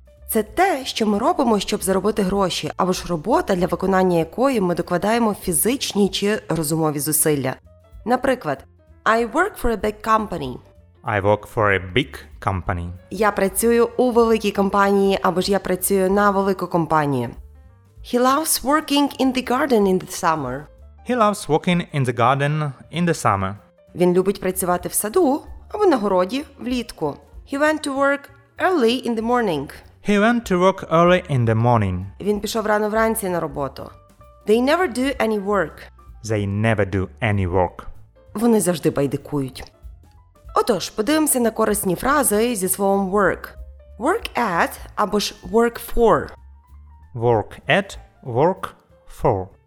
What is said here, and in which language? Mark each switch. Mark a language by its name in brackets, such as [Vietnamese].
[Ukrainian] Це те, що ми робимо, щоб заробити гроші, або ж робота, для виконання якої ми докладаємо фізичні чи розумові зусилля. [English] Наприклад, I work for a big company. I work for a big company. [Ukrainian] Я працюю у великій компанії, або ж я працюю на велику компанію. [English] He loves working in the garden in the summer. He loves working in the garden in the summer. [Ukrainian] Він любить працювати в саду або на городі влітку. [English] He went to work early in the morning. He went to work early in the morning. [Ukrainian] Він пішов рано вранці на роботу. [English] They never do any work. They never do any work. [Ukrainian] Вони завжди байдикують. Отож, подивимося на корисні фрази зі словом work. [English] Work at або ж work for. Work at, work for.